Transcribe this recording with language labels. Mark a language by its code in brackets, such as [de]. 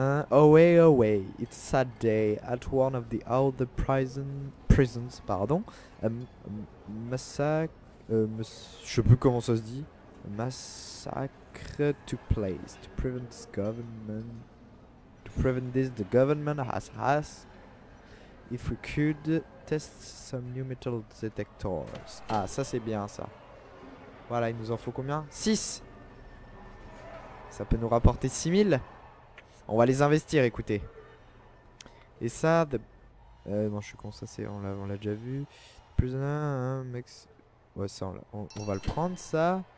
[en] Away, away, it's a sad day at one of the old prisons, pardon. [fr] Massacre, je sais plus comment ça se dit. [en] Massacre took place to prevent government, to prevent this, the government has asked if we could test some new metal detectors. [fr] Ah, ça c'est bien ça. Voilà, il nous en faut combien? 6. Ça peut nous rapporter 6 000. On va les investir, écoutez. Et ça, Non, je suis con, ça c'est. On l'a déjà vu. Plus un, mec. Ouais, ça, on va le prendre, ça.